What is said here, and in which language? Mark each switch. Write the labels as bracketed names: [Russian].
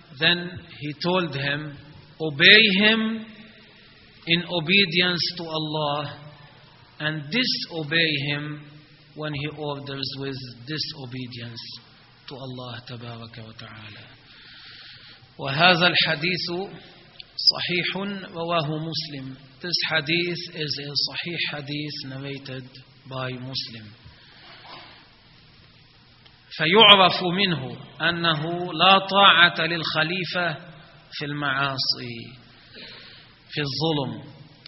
[English] Then he told him, obey him in obedience to Allah and disobey him when he orders with disobedience to Allah [Arabic] تبارك وتعالى. وهذا الحديث صحيح رواه مسلم. [English] This hadith is a صحيح hadith narrated by Muslim. [Arabic] فيعرف منه أنه لا طاعة للخليفة في المعاصي في الظلم.